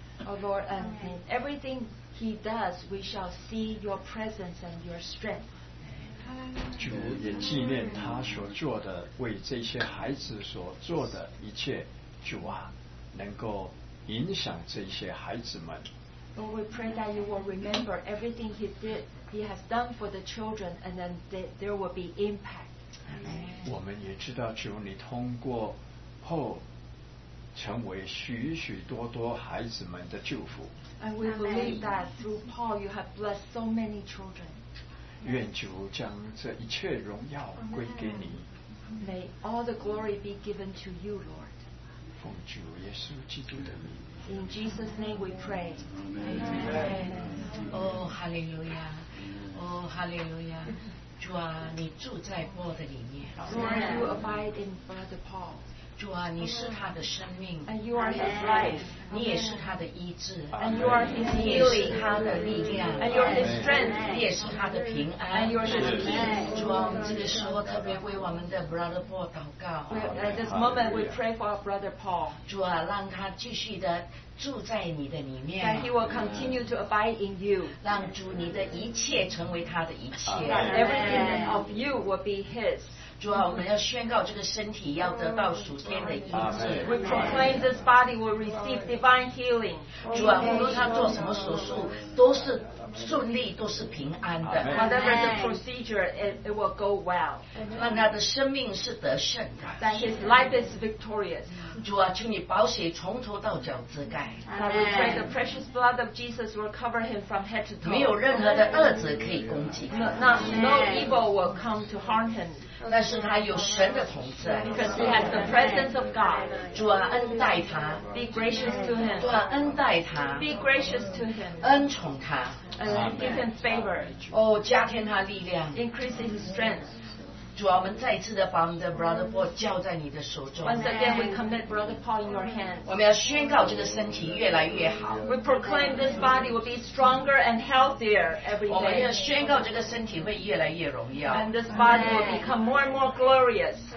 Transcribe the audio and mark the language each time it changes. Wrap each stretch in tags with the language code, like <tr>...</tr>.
<en>Oh Lord, and in everything he does, we shall see your presence and your strength.</en> <zh>主也纪念他所做的，为这些孩子所做的一切，主啊，能够影响这些孩子们。</zh> <en>Lord, we pray that you will remember everything he did, he has done for the children, and then there will be impact.</en> <zh>我们也知道主，你通过后成为许许多多孩子们的祝福。</zh> <en>And we believe that through Paul, you have blessed so many children.</en> <zh>愿主将这一切荣耀归给你。</zh> <en>May all the glory be given to you, Lord.</en> <zh>奉主耶稣基督的名。</zh> <en>In Jesus' name we pray. Amen. Oh, hallelujah. Oh, hallelujah.</en> <zh>主啊，你住在波的里面。</zh> <en>Lord, you abide in Brother Paul.</en> <zh>主啊，你是他的生命</zh> <en>and you are his life.</en> <zh>你也是他的医治</zh> <en>and you are his healing.</en> <zh>你也是他的力量</zh> <en>and you are his strength.</en> <zh>你也是他的平安</zh> <en>and you are his peace.</en> <zh>主啊，我们这个时候特别为我们的 Brother Paul 祷告</zh> <en>at this moment we pray for our Brother Paul.</en> <zh>主啊，让他继续的住在你的里面</zh> <en>that he will continue to abide in you.</en> <zh>让主你的一切成为他的一切</zh> <en>that everything of you will be his.</en> <zh>主啊，我们要宣告这个身体要得到属天的医治。</zh> <en>We proclaim this body will receive divine healing.</en> <zh>主啊，无论他做什么手术，都是顺利，都是平安的。</zh> <en>Whatever the procedure, it will go well.</en> <zh>让他的生命是得胜的。</zh> <en>That his life is victorious.</en> <zh>主啊，请你宝血从头到脚遮盖。</zh> <en>We pray the precious blood of Jesus will cover him from head to toe.</en> <zh>没有任何的恶者可以攻击他。</zh> <en>No evil will come to harm him.</en> <zh>但是他有神的同在</zh> <en>because he has the presence of God</en> <zh>主啊恩待他</zh> <en>be gracious to him</en> <zh>主啊恩待他</zh> <en>be gracious to him</en> <zh>恩宠他</zh> <en>give him favor.</en> <zh>哦，加添他力量。</zh> <en>Increase his strength.</en> <zh>主啊，我们再一次的把我们的 Brother Paul 交在你的手中。</zh> <en>Once again, we commit Brother Paul in your hands.</en> <zh>我们要宣告这个身体越来越好。</zh> <en>We proclaim this body will be stronger and healthier every day.</en> <zh>我们要宣告这个身体会越来越荣耀。</zh> <en>And this body will become more and more glorious.</en>